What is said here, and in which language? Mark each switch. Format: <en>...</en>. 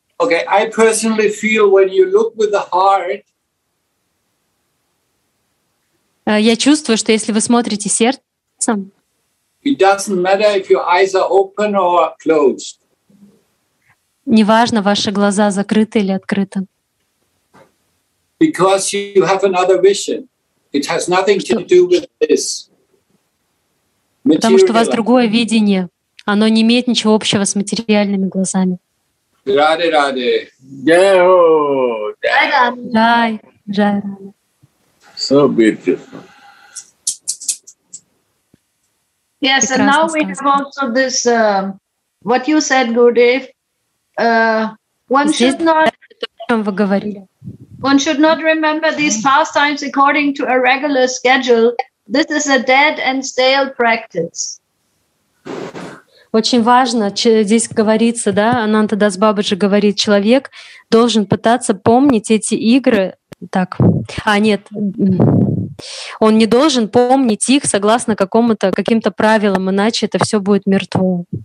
<en>Okay, I personally feel when you look with the heart.</en> <ru>Я чувствую, что если вы смотрите сердцем.</ru> <en>It doesn't matter if your eyes are open or closed.</en> <ru>Неважно, ваши глаза закрыты или открыты.</ru> <en>Because you have another vision. It has nothing to do with this.</en> <ru>Потому что у вас другое видение. Оно не имеет ничего общего с материальными глазами.</ru> <hi>Раде, раде. Джайо. Джай, раде. Джай, джай, раде.</hi> <en>So beautiful. Yes, and now we have also this, what you said, Gurudev. One should not...</en> <ru>О чем вы говорили?</ru> <en>One should not remember these pastimes according to a regular schedule. This is a dead and stale practice.</en> <ru>Очень важно, здесь говорится, да, Ананта Дас Бабаджи говорит, человек должен пытаться помнить эти игры, так, а нет, он не должен помнить их согласно какому-то, каким-то правилам, иначе это все будет мертво.</ru>